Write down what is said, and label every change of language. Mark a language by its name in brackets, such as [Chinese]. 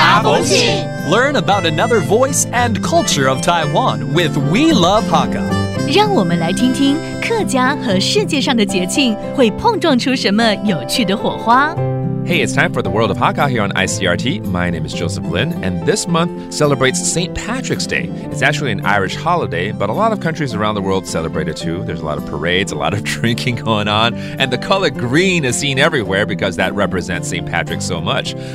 [English] Learn about another voice and culture of Taiwan with We Love Hakka. [Chinese] 让我们来听听客家和世界上的节庆会碰撞出什么有趣的火花。 [English] Hey, it's time for the World of Hakka here on ICRT. My name is Joseph Lin, and this month celebrates St. Patrick's Day. It's actually an Irish holiday, but a lot of countries around the world celebrate it too. There's a lot of parades, a lot of drinking going on, and the color green is seen everywhere because that represents St. Patrick so much.